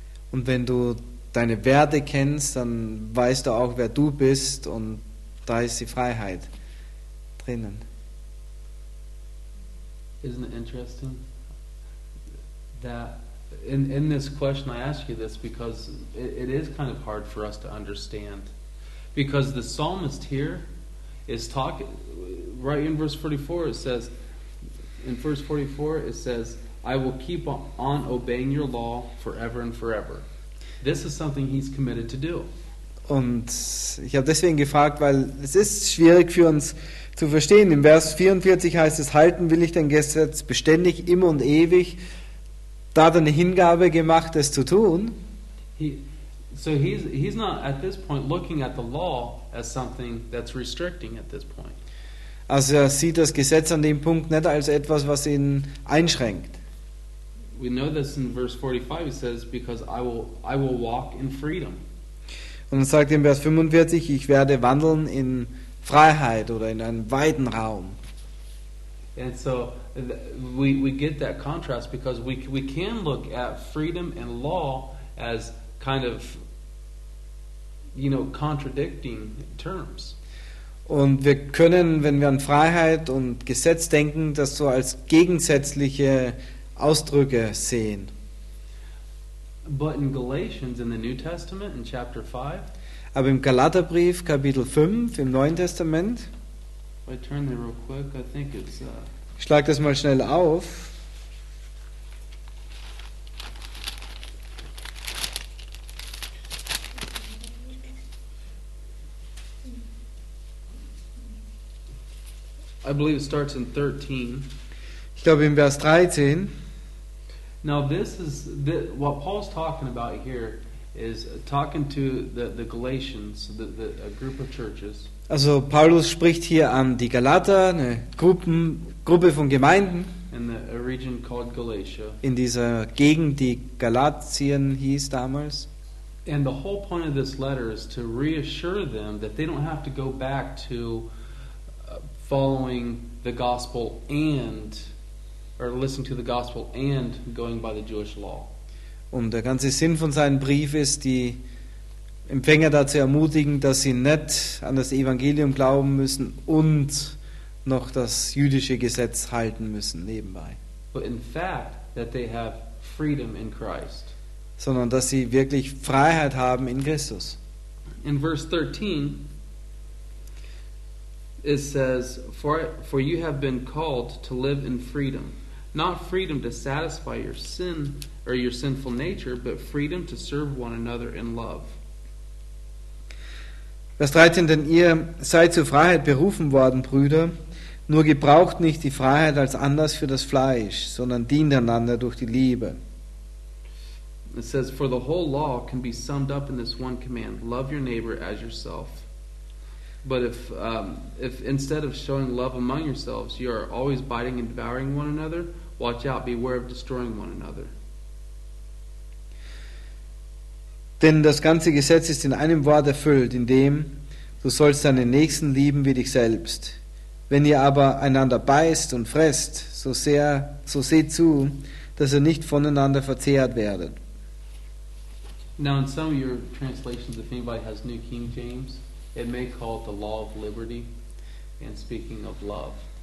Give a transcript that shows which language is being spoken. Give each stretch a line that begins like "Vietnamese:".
German: Und wenn du deine Werte kennst, dann weißt du auch, wer du bist, und da ist die Freiheit drinnen.
English: Isn't it interesting that in this question I ask you this, because it is kind of hard for us to understand, because the psalmist here is talking right in verse 44. It says in verse 44, it says, I will keep on obeying your law forever and forever. This is something he's committed to do.
German: Und ich habe deswegen gefragt, weil es ist schwierig für uns zu verstehen. Im Vers 44 heißt es, halten will ich dein Gesetz beständig, immer und ewig. Da hat er eine Hingabe gemacht, es zu tun.
English: So he's not at this point looking at the law as something that's restricting at this point.
German: Also er sieht das Gesetz an dem Punkt nicht als etwas, was ihn einschränkt.
English: We know this in verse 45, it says, because I will walk in freedom.
German: Und er sagt in Vers 45, ich werde wandeln in Freiheit oder in einem weiten Raum.
English: And so we get that contrast, because we can look at freedom and law as kind of, you know, contradicting terms.
German: Und wir können, wenn wir an Freiheit und Gesetz denken, das so als gegensätzliche Ausdrücke sehen.
English: But in Galatians, in the New Testament, in chapter 5,
German: aber im Galaterbrief, Kapitel 5, im Neuen Testament,
English: I turn there real quick, I think it's,
German: ich schlage das mal schnell auf.
English: I believe it starts in 13.
German: Ich glaube im Vers 13.
English: Now this is what Paul's talking about here is talking to the Galatians, a group of churches.
German: Also Paulus spricht hier an die Galater, eine Gruppe von Gemeinden
English: in the region called Galatia.
German: In dieser Gegend, die Galatien hieß damals.
English: And the whole point of this letter is to reassure them that they don't have to go back to following the gospel and or listen to the gospel and going by the Jewish law.
German: Und der ganze Sinn von seinem Brief ist, die Empfänger dazu ermutigen, dass sie nicht an das Evangelium glauben müssen und noch das jüdische Gesetz halten müssen nebenbei.
English: But in fact that they have freedom in Christ.
German: Sondern dass sie wirklich Freiheit haben in Christus.
English: In verse 13 it says, for you have been called to live in freedom. Not freedom to satisfy your sin or your sinful nature, but freedom to serve one another in love.
German: Vers 13, denn ihr seid zur Freiheit berufen worden, Brüder, nur gebraucht nicht die Freiheit als Anlass für das Fleisch, sondern dient einander durch die Liebe.
English: It says, for the whole law can be summed up in this one command, love your neighbor as yourself. But if instead of showing love among yourselves, you are always biting and devouring one another, watch out, beware of destroying one another.
German: Denn das ganze Gesetz ist in einem Wort erfüllt, in dem, Du sollst deinen Nächsten lieben wie dich selbst. Wenn ihr aber einander beißt und fresst, so seht zu, dass ihr nicht voneinander verzehrt werdet.
English: Now in some of your translations, if anybody has New King James, it may call it the law of liberty and speaking of love.